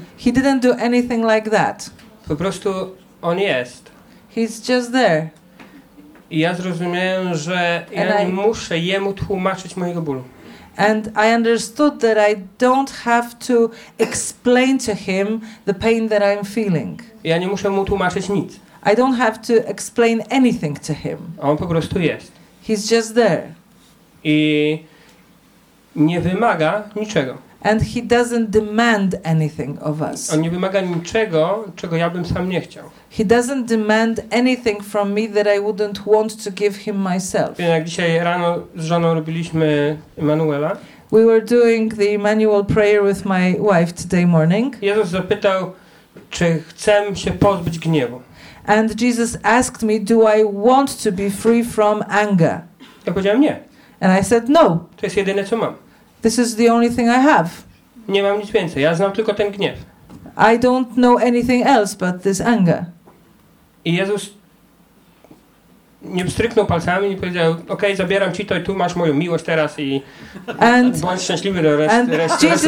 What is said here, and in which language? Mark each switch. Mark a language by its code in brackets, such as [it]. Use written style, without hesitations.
[en] He didn't do anything like that. [pl] Po prostu on jest. [en] He's just there. [pl] I ja zrozumiałem, że nie muszę jemu tłumaczyć mojego bólu. [en] And I understood that I don't have to explain to him the pain that I'm feeling. [pl] Ja nie muszę mu tłumaczyć nic. [en] I don't have to explain anything to him. [pl] On po prostu jest. [en] He's just there. [pl] I nie wymaga niczego. [en] And he doesn't demand anything of us. [pl] On nie wymaga niczego, czego ja bym sam nie chciał. [en] He doesn't demand anything from me that I wouldn't want to give him myself. [pl] Jak dzisiaj rano z żoną robiliśmy Emanuela. [en] We were doing the Emmanuel prayer with my wife today morning. [pl] Jezus zapytał, czy chcę się pozbyć gniewu. [en] And Jesus asked me, do I want to be free from anger? [pl] Ja powiedziałem nie. [en] And I said no. [pl] To jest jedyne, co mam. [en] This is the only thing I have. [pl] Nie mam nic więcej. Ja znam tylko ten gniew. [en] I don't know anything else but this anger. [pl] I Jezus nie pstryknął palcami i powiedział, okej, zabieram ci to i tu masz moją miłość teraz i bądź szczęśliwy do reszty.